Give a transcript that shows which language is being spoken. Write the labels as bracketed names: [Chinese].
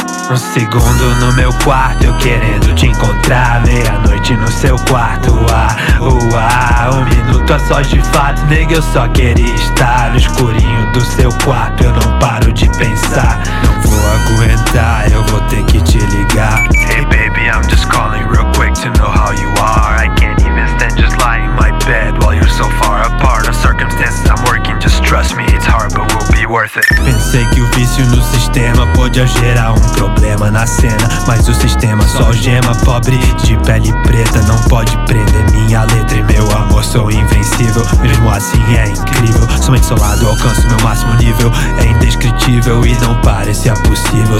[Portuguese] Um segundo no meu quarto, eu querendo te encontrar. Meia-noite no seu quarto, ah, uah. Um minuto a sós de fato, nega, eu só queria estar no escurinho do seu quarto. Eu não paro de pensar, não vou aguentar, eu vou ter que te ligar. [English] Hey baby, I'm just calling real quick to know how you are. I can't even stand just lying in my bed while you're so far apart. The circumstances I'm working, just trust me, it's hard but we'll be worth it. [Portuguese] Pensei que o vício no sistema podia gerar um problema na cena, mas o sistema só gema. Pobre de pele preta, não pode prender minha letra. E meu amor, sou invencível, mesmo assim é incrível. Somente solado, alcanço meu máximo nível. É indescritível e não parece possível.